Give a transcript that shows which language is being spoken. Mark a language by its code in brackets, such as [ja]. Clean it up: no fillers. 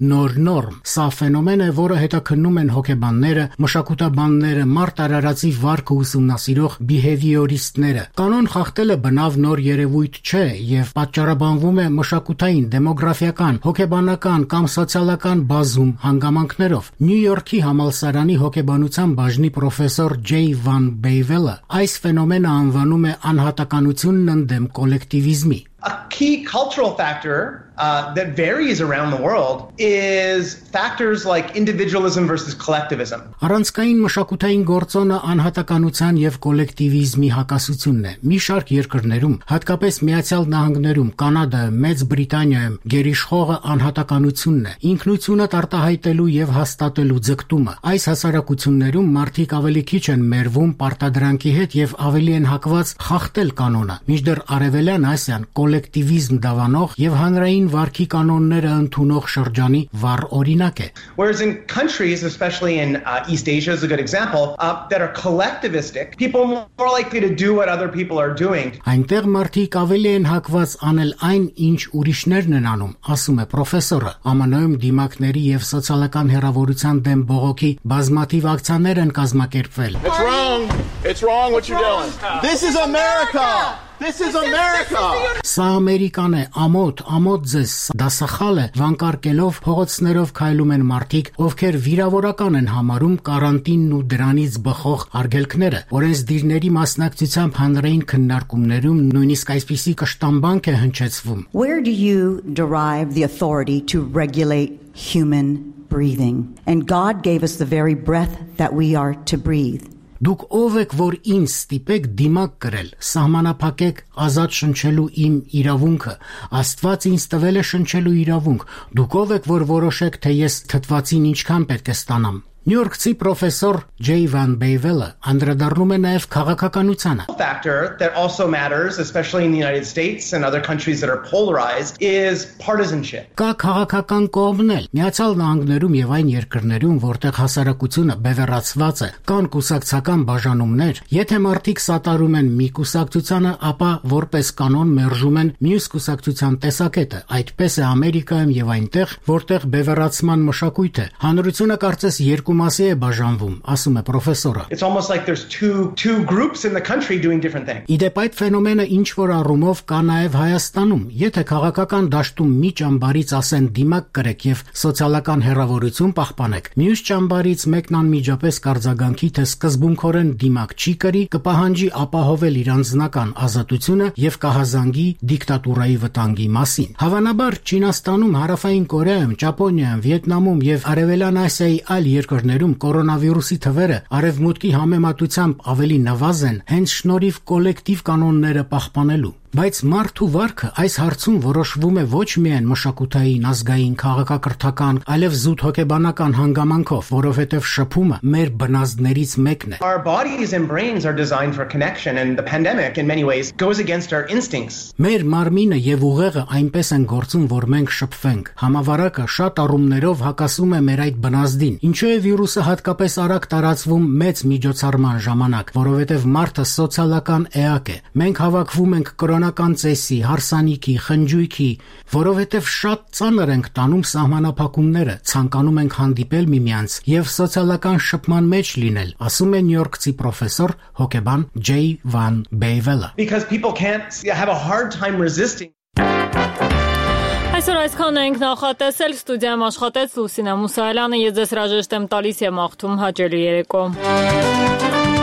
[hy] նոր նորմ։ Սա ֆենոմեն է, որը հետաքննում են հոգեբանները, մշակութաբանները, մարդ արարածի վարքը ուսումնասիրող բիհևիորիստները։ Կանոն խախտելը բնավ նոր երևույթ չէ և պատճառաբանվում է մշակութային, դեմոգրաֆիական, հոգեբանական կամ սոցիալական բազում հանգամանքներով։ Նյու Յորքի համալսարանի հոգեբանության բաժնի պրոֆեսոր Ջեյ Վան Բեյվելը այս ֆենոմեն անվանում է անհատականությունն ընդդեմ կոլեկտիվիզմի։ [en] A key cultural factor that varies around the world is factors like individualism versus collectivism. [hy] Առանցքային մշակութային գործոնը անհատականության եւ կոլեկտիվիզմի հակասությունն է։ Մի շարք երկրներում, հատկապես Միացյալ Նահանգներում, Կանադայում, Մեծ Բրիտանիայում գերիշխողը անհատականությունն է, ինքնությունը տարտահայտելու եւ հաստատելու ձգտումը։ Այս հասարակություններում մարդիկ ավելի քիչ են մերվում պարտադրանքի հետ եւ ավելի են հակված խախտել կանոնը։ Մինչդեռ Արևելյան Ասիան կոլեկտիվիզմ դավանող եւ հանրային վարքի կանոնները ընդունող շրջանի վառ օրինակ է։ [en] Whereas in countries, especially in East Asia is a good example, that are collectivistic, people more likely to do what other people are doing. [hy] Այնտեղ մարդիկ ավելի են հակված անել այն, ինչ ուրիշներն են անում, ասում է պրոֆեսորը։ ԱՄՆ-ում դիմակների եւ սոցիալական հեռավորության դեմ բողոքի բազմաթիվ ակցիաներ են կազմակերպվել։ [en] It's wrong. It's wrong what you're doing. This is America. This is America. [hy] Սա Ամերիկան է, ամոթ, ամոթ ձեզ, դասախալ է, վանկարկելով փողոցներով քայլում են մարդիկ, ովքեր վիրավորական են համարում կարանտինն ու դրանից բխող արգելքները։ Օրենսդիրների մասնակցությամբ հանրային քննարկումներում նույնիսկ այսպիսի կշտամբանք է հնչեցվում. [en] Where do you derive the authority to regulate human breathing? And God gave us the very breath that we are to breathe. [hy] Դուք ով եք, որ ինձ ստիպեք դիմակ կրել, սահմանափակեք ազատ շնչելու իմ իրավունքը, Աստված ինձ տվել է շնչելու իրավունք, դուք ով եք, որ որոշեք, թե ես թթվածին ինչքան պետք է ստանամ։ Նյու Յորքցի պրոֆեսոր Ջեյ Վան Բեյվելը անդրադառնում է նաև քաղաքականությանը. [en] Factor that also matters especially in the United States and other countries that are polarized is partisanship. [hy] Կա քաղաքական կողմնել Միացյալ Նահանգներում եւ այն երկրներում, որտեղ հասարակությունը բևեռացված է, կան կուսակցական բաժանումներ, եթե մարդիկ սատարում են մի կուսակցությանը, ապա որպես կանոն մերժում են մյուս կուսակցության տեսակետը, այդպես է Ամերիկայում եւ այնտեղ, որտեղ բևեռացման մշակույթ է։ Հանրությունը կարծես երկու մասի է բաժանվում, ասում է պրոֆեսորը։ [en] It's almost like there's two groups in the country doing different things. [hy] Իդեպ այդ ֆենոմենը ինչ որ առումով կա նաև Հայաստանում, եթե քաղաքական դաշտում մի ճամբարից ասեն դիմակ կրեք եւ սոցիալական հերավորություն պահպանեք, մյուս ճամբարից մեկն անմիջապես կարձագանքի, թե սկզբունքորեն դիմակ չի կրի, կպահանջի ապահովել իր անձնական ազատությունը եւ կահազանգի դիկտատուրայի վտանգի մասին։ Հավանաբար Չինաստանում, Հարավային Կորեայում, Ճապոնիայում, Վիետնամում եւ Արևելյան Ասիայի երկրներում կորոնավիրուսի թվերը արևմուտքի համեմատությամբ ավելի նվազ են, հենց շնորհիվ կոլեկտիվ կանոնները պահպանելու։ Բայց մարդու վարկը այս հարցում որոշվում է ոչ միայն մշակութային, ազգային, քաղաքակրթական, այլև զուտ հոգեբանական հանգամանքով, որովհետև շփումը մեր բնազդներից մեկն է։ [en] Our bodies and brains are designed for connection and the pandemic in many ways goes against our instincts. [hy] Մեր մարմինը եւ ուղեղը այնպես են գործում, որ մենք շփվենք։ Համավարակը շատ առումներով հակասում է մեր այդ բնազդին։ Ինչու է վիրուսը հատկապես արագ տարածվում մեծ միջոցառման ժամանակ, որովհետև մարդը սոցիալական էակ է։ Մենք հավաքվում ենք կորոնական ցեսի, հարսանիքի, խնջույքի, որովհետև շատ ծանր ենք տանում սահմանափակումները, ցանկանում ենք հանդիպել միմյանց եւ սոցիալական շփման մեջ լինել, ասում է Նյու Յորքցի պրոֆեսոր հոկեբան Ջեյ Վան Բեյվելը։ [en] Because people can't have a hard time resisting. [hy] Այսօր այսքան ենք նախատեսել, ստուդիայում աշխատեց Լուսինե Մուսայելյանը, ես ձեզ հրաժեշտ եմ տալիս եմ աղթում հաճելի երեկո։